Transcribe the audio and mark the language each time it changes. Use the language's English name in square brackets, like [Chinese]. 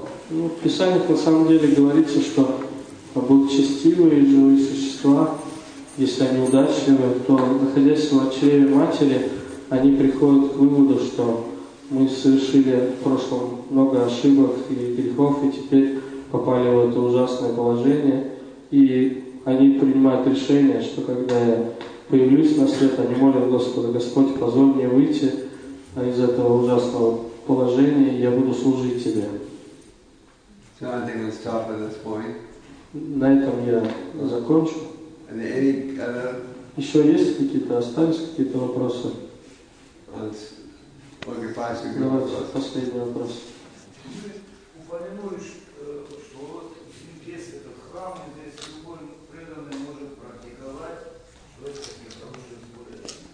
[Russian] Ну, в Писаниях на самом деле говорится, что благочестивые живые существа, если они удачливые, то, находясь в чреве матери, они приходят к выводу, что мы совершили в прошлом много ошибок и грехов, и теперь попали в это ужасное положение. И они принимают решение, что когда я появлюсь на свет, они молят Господа, Господь, позволь мне выйти из этого ужасного положение, я буду служить тебе. [English] So I think we'll stop at this point. [Russian] На этом я закончу. [English] And any other... [Russian] Еще есть какие-то, остались какие-то вопросы? Давайте последний вопрос. Вы упомянули, что вот здесь этот храм, здесь любой преданный может практиковать, что это каких-то нужных будет.